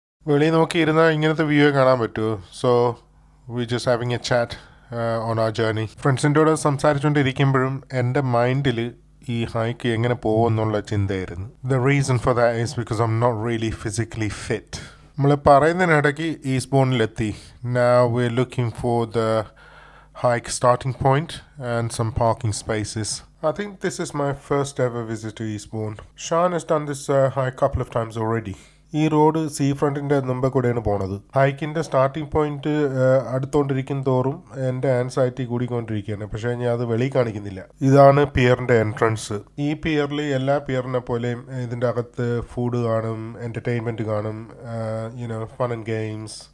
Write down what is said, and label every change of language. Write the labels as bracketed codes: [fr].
[ml] വെളിയിൽ നോക്കിയിരുന്നാൽ ഇങ്ങനത്തെ വ്യൂ കാണാൻ പറ്റുമോ? [en] So we just having a chat on a journey. [ml] ഫ്രണ്ട്സിൻ്റെ സംസാരിച്ചുകൊണ്ടിരിക്കുമ്പോഴും എൻ്റെ മൈൻഡിൽ ഈ ഹൈക്ക് എങ്ങനെ പോകുമെന്നുള്ള ചിന്തയായിരുന്നു. [en] The reason for that is because I'm not really physically fit. [ml] നമ്മൾ പറയുന്നതിനിടയ്ക്ക് ഈസ്റ്റ്ബോണിലെത്തി. [en] നാ we are looking for the hike starting point and some parking spaces. I think this is my first ever visit to Eastbourne. Sean has done this hike a couple of times already. [ml] ഈ road see ഫ്രണ്ടിൻ്റെ മുമ്പേ കൂടെയാണ് പോണത്. ഹൈക്കിൻ്റെ starting point അടുത്തോണ്ടിരിക്കും തോറും എൻ്റെ anxiety കൂടിക്കൊണ്ടിരിക്കുകയാണ്. പക്ഷേ ഞാൻ അത് വെളിയിൽ കാണിക്കുന്നില്ല. ഇതാണ് പിയറിൻ്റെ എൻട്രൻസ്. ഈ പിയറിൽ എല്ലാ പിയറിനെ പോലെയും ഇതിൻ്റെ അകത്ത് ഫുഡ് കാണും, എൻ്റർടൈൻമെൻറ്റ് കാണും, [en] You know fun and games.